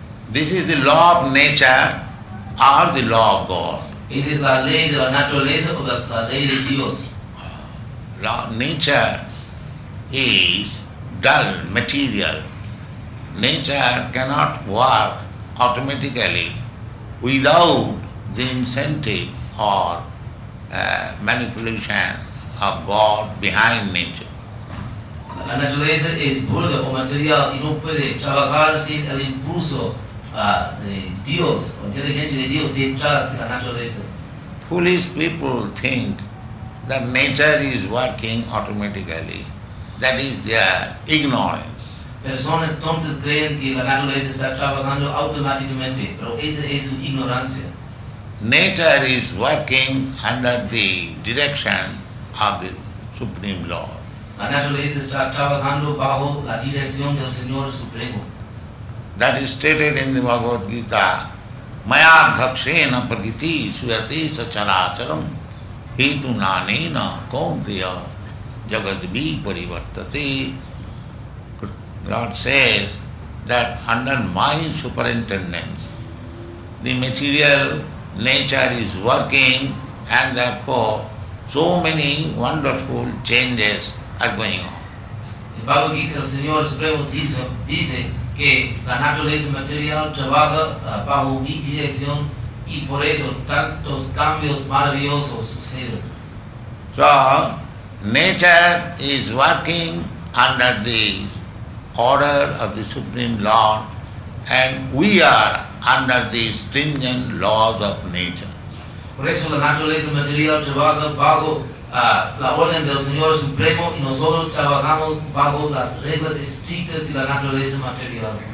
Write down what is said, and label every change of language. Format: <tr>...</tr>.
<en>This is the law of nature or the law of God.</en> <es>Esa es la ley de la naturaleza o la ley de Dios.</es> <en>Law of nature is dull material. Nature cannot work automatically without the incentive or manipulation of God behind nature.</en> <es>La naturaleza es burda o material y no puede trabajar sin el impulso de Dios, o inteligencia de Dios detrás de la naturaleza.</es> <en>Foolish people think that nature is working automatically. That is their ignorance.</en> <es>Personas tontas creen que la naturaleza está trabajando automáticamente, pero esa es su ignorancia.</es> <en>Nature is working under the direction of the Supreme Lord.</en> <es>La naturaleza está trabajando bajo la dirección del Señor Supremo.</es> <en>That is stated in the Bhagavad Gita.</en> <sa>Maya dhakshena prakiti surati sacharacharam hetu nanena kaunteya jagadvi parivartate.</sa> <en>Lord says that under my superintendence the material nature is working, and therefore so many wonderful changes are going on.</en> <es>The Bhagavad Gita, el Señor Supremo dice que la naturaleza material trabaja bajo mi dirección y por eso tantos cambios maravillosos suceden.</es> <en>So, nature is working under the order of the Supreme Lord, and we are under the stringent laws of nature.</en> <es>Por eso la naturaleza material trabaja bajo la orden del Señor Supremo y nosotros trabajamos bajo las reglas estrictas de la naturaleza material.</es>